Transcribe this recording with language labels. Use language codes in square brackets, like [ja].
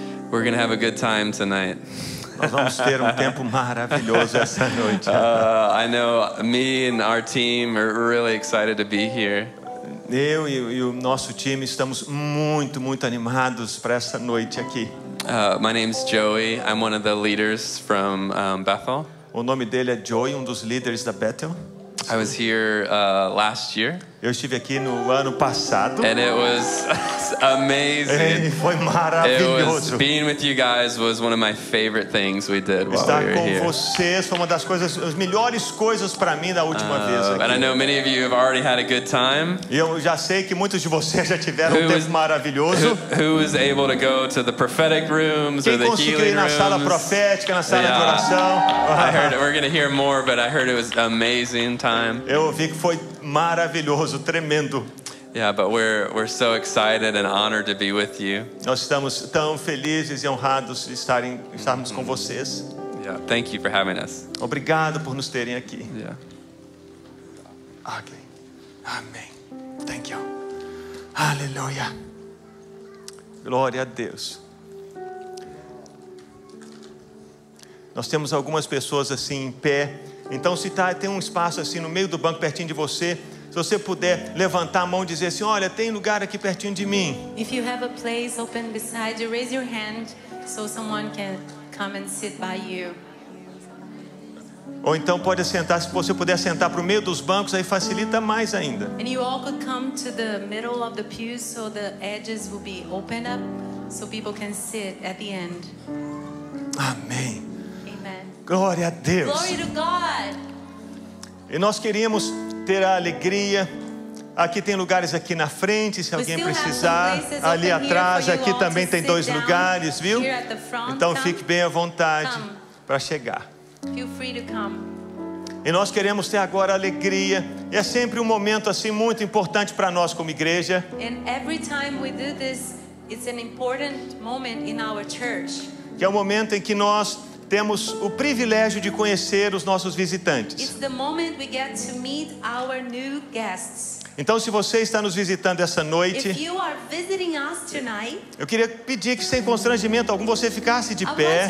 [en] We're gonna have a good time tonight. [pt] Nós vamos ter tempo maravilhoso essa noite. [en] I know me and our team are really excited to be here. [pt] Eu e o nosso time estamos muito, muito animados para essa noite aqui. [en] My name's Joey. I'm one of the leaders from Bethel. [pt] O nome dele é Joey, dos líderes da Bethel. [en] I was here last year. [pt] Eu estive aqui no ano passado. [en] And it was amazing. [pt] Foi maravilhoso. [en] It was, being with you guys was one of my favorite things we did while we were here. [pt] Estar com vocês foi uma das coisas, as melhores coisas para mim da última vez aqui. [en] And I know many of you have already had a good time. [pt] Eu já sei que muitos de vocês já tiveram um tempo maravilhoso. [en] Who was able to go to the prophetic rooms or the healing rooms? [pt] Quem conseguiu ir na sala profética, na sala de oração? [en] I heard we're going to hear more, but I heard it was an amazing time. [pt] Eu ouvi que foi maravilhoso, tremendo. [en] Yeah, but we're so excited and honored to be with you. [pt] Nós estamos tão felizes e honrados de estarmos com vocês. [en] Yeah, thank you for having us. [pt] Obrigado por nos terem aqui. [en] Yeah. [pt] Okay. Amém. [en] Thank you. [pt] Aleluia. Glória a Deus. Nós temos algumas pessoas assim em pé. Então, se tem um espaço assim no meio do banco, pertinho de você, se você puder levantar a mão e dizer assim, olha, tem lugar aqui pertinho de mim. [en] If you have a place open beside you, raise your hand so someone can come and sit by you. [pt] Ou então pode sentar, se você puder sentar para o meio dos bancos, aí facilita mais ainda. [en] And you all could come to the middle of the pews so the edges will be open up so people can sit at the end. [pt] Amém. Glória a Deus. [en] Glory to God. [pt] E nós queríamos ter a alegria. Aqui tem lugares aqui na frente, se alguém precisar. Ali atrás, aqui também tem dois lugares, viu? Então fique bem à vontade para chegar. [en] Feel free to come. [pt] E nós queremos ter agora a alegria. E é sempre um momento assim muito importante para nós como igreja. [en] And every time we do this, it's an important moment in our church. [pt] Que é o momento em que nós temos o privilégio de conhecer os nossos visitantes. [en] It's the moment we get to meet our new guests. [pt] Então, se você está nos visitando essa noite, [en] if you are visiting us tonight, [pt] eu queria pedir que, sem constrangimento algum, você ficasse de pé.